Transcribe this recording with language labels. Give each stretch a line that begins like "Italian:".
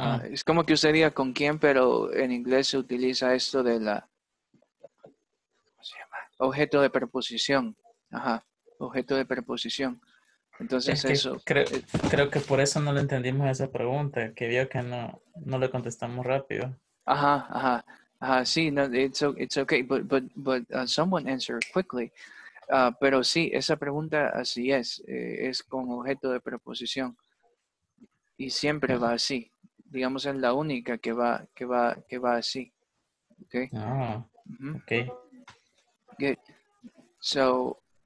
Spanish: Es como que usted diga con quién, pero en inglés se utiliza esto de la... ¿Cómo se llama? Objeto de preposición. Ajá, objeto de preposición. Entonces es que eso... Creo que por eso no le entendimos esa pregunta, que vio que no le contestamos rápido. Ajá. Sí, no,
English: it's okay, but someone answered quickly.
Spanish: Pero sí, esa pregunta así es con objeto de preposición y siempre va así. Digamos es la única que va así. Okay. Ah. Mm-hmm. Okay.
English: Good. So.